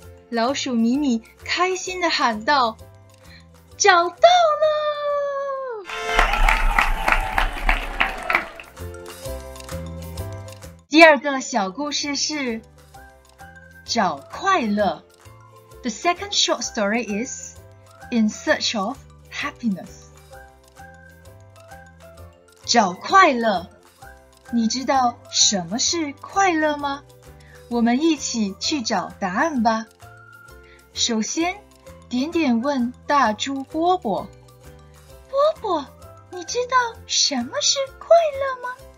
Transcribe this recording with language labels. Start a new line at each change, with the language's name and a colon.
Chinese: 老鼠咪咪开心地喊道，找到了！第二个小故事是找快乐。
English: The second short story is In Search of Happiness.
Chinese: 找快乐，你知道什么是快乐吗？我们一起去找答案吧。首先点点问大猪波波，波波，你知道什么是快乐吗？